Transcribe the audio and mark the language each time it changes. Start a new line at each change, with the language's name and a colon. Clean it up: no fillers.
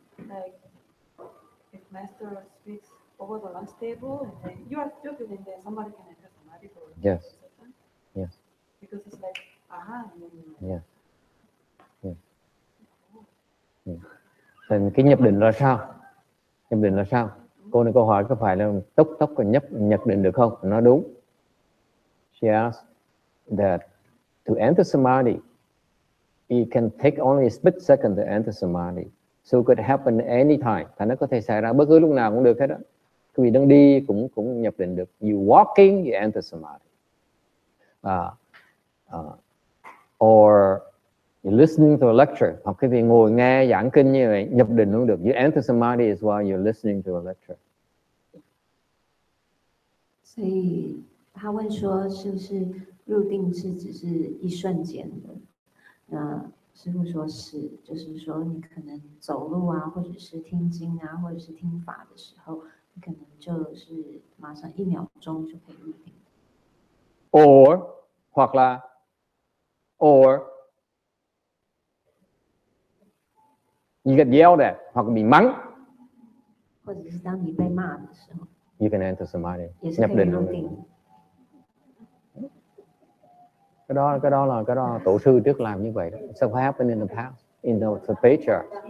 English: Like, if Master speaks over the lunch table, and then you are still sitting there, somebody can enter somebody for a yes. second. Yes. Because it's like, aha, and then you're like, yes. Yes. Oh. Yes.
Vietnamese: Then, cái nhập định là sao? Nhập định là sao? Cô này câu hỏi có phải là tốc và nhập định được không? Nó đúng.
English: She asked that to enter samadhi, it can take only a split second to enter samadhi. So it could happen anytime.
Vietnamese: Thành nó có thể xảy ra bất cứ lúc nào cũng được hết đó. Quý vị đang đi cũng nhập định được.
English: You walking, you enter samadhi. Or You're listening to a lecture.
Vietnamese: Hoặc quý vị ngồi nghe giảng kinh như vậy, nhập định luôn được.
English: You enter samadhi as well, you're listening to a lecture.
Chinese: 所以他问说是不是入定是只是一瞬间，那师父说是，就是说你可能走路啊，或者是听经啊，或者是听法的时候，你可能就是马上一秒钟就可以入定。
English: You get yelled at,
Vietnamese: hoặc bị mắng.
Chinese: 或者是当你被骂的时候,
English: you can enter samadhi.
Vietnamese: Nhập định. Cái đó là tổ sư trước làm như vậy.
English: So what happened in the past, in the patriarch.